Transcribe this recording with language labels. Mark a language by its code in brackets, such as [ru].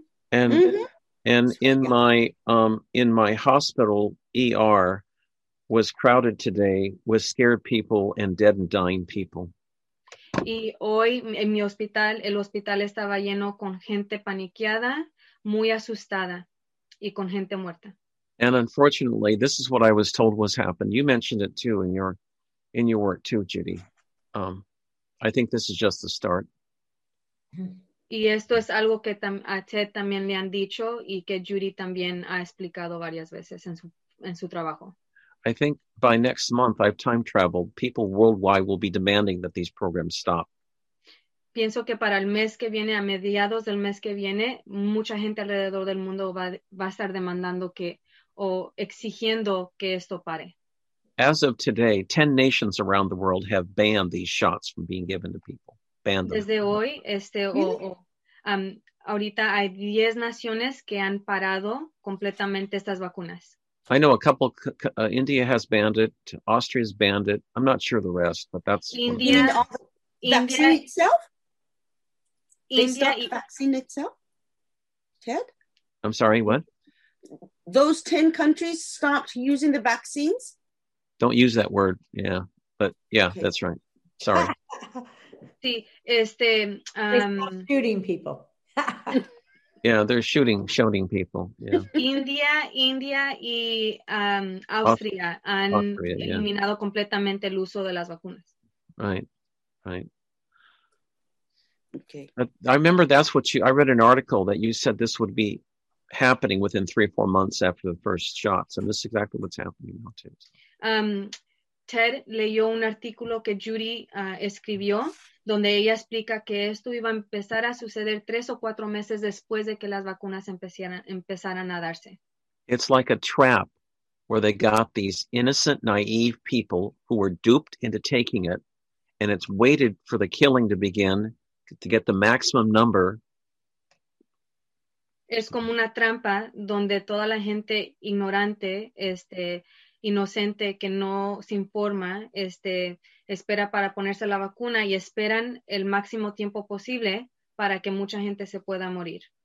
[en] And in my hospital ER was crowded today with scared people and dead and dying people. [es] Y hoy en mi hospital, el hospital estaba lleno con gente paniqueada, muy asustada, y con gente muerta. [en] And unfortunately, this is what I was told was happened. You mentioned it too in your work too, Judy. I think this is just the start. [es] Y esto es algo que a Ted también le han dicho y que Judy también ha explicado varias veces en su trabajo. [en] I think by next month, I've time traveled, people worldwide will be demanding that these programs stop. [es] Pienso que para el mes que viene, a mediados del mes que viene, mucha gente alrededor del mundo va a estar demandando que o exigiendo que esto pare. [en] As of today, 10 nations around the world have banned these shots from being given to people. Banned them. [es] Desde hoy, ahorita hay 10 naciones que han parado completamente estas vacunas. [en] I know a couple, India has banned it, Austria's banned it. I'm not sure the rest, but that's... India, you mean the vaccine India, itself? India, they stopped vaccine itself? Ted? I'm sorry, what? Those 10 countries stopped using the vaccines? Don't use that word, yeah. But yeah, okay. That's right. Sorry. [es] Sí, [en] shooting people. Yeah, they're shooting people. Yeah. [es] India y Austria han eliminado completamente el uso de las vacunas. [en] Right. Okay. I remember that's what I read an article that you said this would be happening within 3 or 4 months after the first shots, and this is exactly what's happening now too. [es] Ted leyó un artículo que Judy escribió, donde ella explica que esto iba a empezar a suceder 3 o 4 meses después de que las vacunas empezaran a darse. [en] It's like a trap where they got these innocent, naive people who were duped into taking it, and it's waited for the killing to begin to get the maximum number. [es] Es como una trampa donde toda la gente ignorante, inocente que no se informa, espera para ponerse la vacuna y esperan el máximo tiempo posible para que mucha gente se pueda morir.